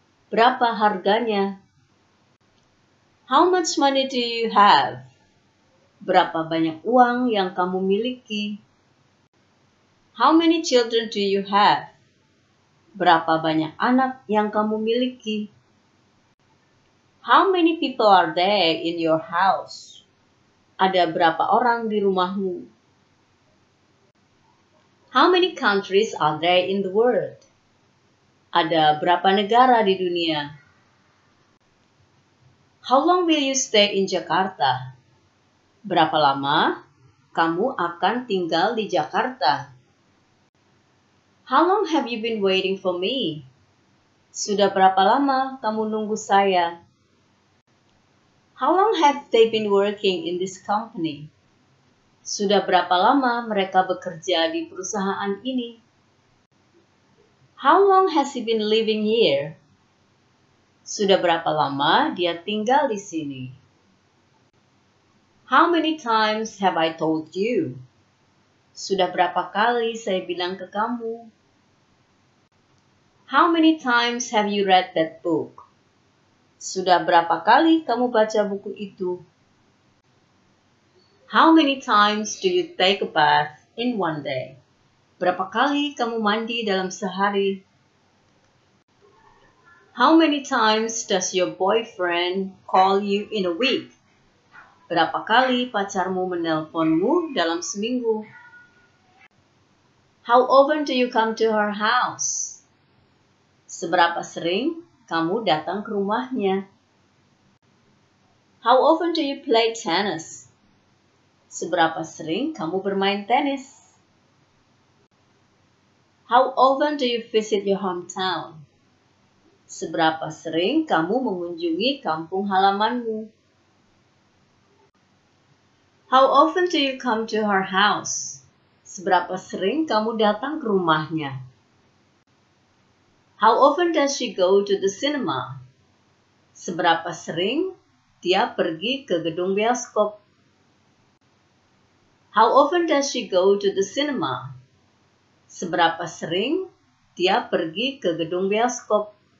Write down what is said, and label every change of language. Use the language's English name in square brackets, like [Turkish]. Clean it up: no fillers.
[Indonesian] Berapa harganya? [English] How much money do you have? [Indonesian] Berapa banyak uang yang kamu miliki? [English] How many children do you have? [Indonesian] Berapa banyak anak yang kamu miliki? [English] How many people are there in your house? [Indonesian] Ada berapa orang di rumahmu? [English] How many countries are there in the world? [Indonesian] Ada berapa negara di dunia? [English] How long will you stay in Jakarta? [Indonesian] Berapa lama kamu akan tinggal di Jakarta? [English] How long have you been waiting for me? [Indonesian] Sudah berapa lama kamu nunggu saya? [English] How long have they been working in this company? [Indonesian] Sudah berapa lama mereka bekerja di perusahaan ini? [English] How long has he been living here? [Indonesian] Sudah berapa lama dia tinggal di sini? [English] How many times have I told you? [Indonesian] Sudah berapa kali saya bilang ke kamu? [English] How many times have you read that book? [Indonesian] Sudah berapa kali kamu baca buku itu? [English] How many times do you take a bath in one day? [Indonesian] Berapa kali kamu mandi dalam sehari? [English] How many times does your boyfriend call you in a week? [Indonesian] Berapa kali pacarmu menelponmu dalam seminggu? [English] How often do you come to her house? [Indonesian] Seberapa sering kamu datang ke rumahnya? [English] How often do you play tennis? [Indonesian] Seberapa sering kamu bermain tenis? [English] How often do you visit your hometown? [Indonesian] Seberapa sering kamu mengunjungi kampung halamanmu? [English] How often do you come to her house? [Indonesian] Seberapa sering kamu datang ke rumahnya? [English] How often does she go to the cinema? [Indonesian] Seberapa sering dia pergi ke gedung bioskop? [English] How often does she go to the cinema? [Indonesian] Seberapa sering dia pergi ke gedung bioskop?